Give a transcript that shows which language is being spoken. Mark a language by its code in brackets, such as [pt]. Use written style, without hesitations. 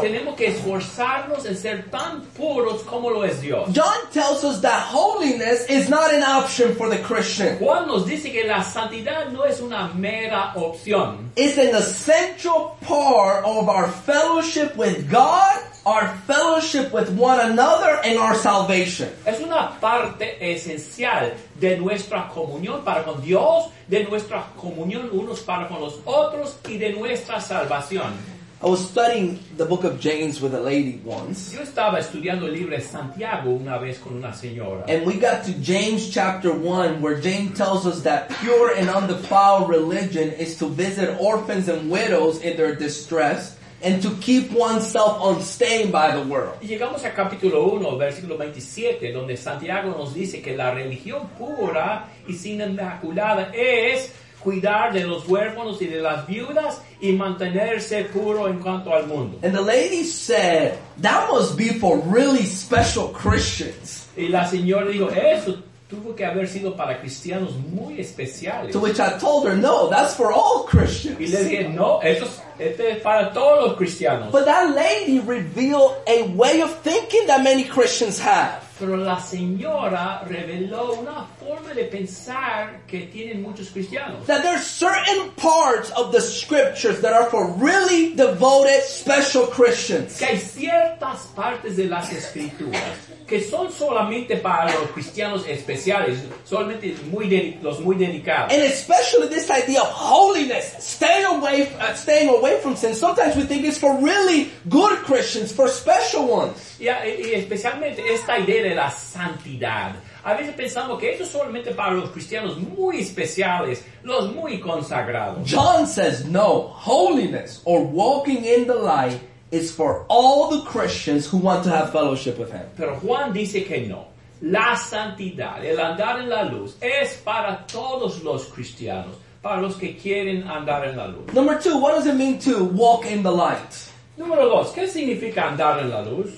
[es] Tenemos que esforzarnos en ser tan puros como lo es Dios. [en] John tells us that holiness is not an option for the Christian. [es] Juan nos dice que la santidad no es una mera opción. [en] It's an essential part of our fellowship with God our fellowship with one another and our salvation. [es] Es una parte esencial de nuestra comunión para con Dios, de nuestra comunión unos para con los otros y de nuestra salvación. [en] I was studying the book of James with a lady once. [es] Yo estaba estudiando el libro de Santiago una vez con una señora. [en] And we got to James chapter 1, where James tells us that pure and undefiled religion is to visit orphans and widows in their distress and to keep oneself unstained by the world. [es] Llegamos a capítulo 1, versículo 27, donde Santiago nos dice que la religión pura y sin inmaculada es cuidar de los huérfanos y de las viudas y mantenerse puro en cuanto al mundo. [en] And the lady said, that must be for really special Christians. [es] Y la señora dijo, eso tuvo que haber sido para cristianos muy especiales. [en] To which I told her, no, that's for all Christians. [es] Y le dije, no, eso es, este es para todos los cristianos. [en] But that lady revealed a way of thinking that many Christians have. [es] Pero la señora reveló una forma de pensar que tienen muchos cristianos. [en] That there are certain parts of the scriptures that are for really devoted, special Christians. [es] Que hay ciertas partes de las escrituras que son solamente para los cristianos especiales, solamente muy los muy dedicados. [en] And especially this idea of holiness, staying away from sin. Sometimes we think it's for really good Christians, for special ones. [es] Yeah, y especialmente esta idea de la santidad. A veces pensamos que eso es solamente para los cristianos muy especiales, los muy consagrados. [en] John says, no, holiness or walking in the light is for all the Christians who want to have fellowship with him. [es] Pero Juan dice que no. La santidad, el andar en la luz, es para todos los cristianos, para los que quieren andar en la luz. [en] Number two, what does it mean to walk in the light? [es] Número dos, ¿qué significa andar en la luz?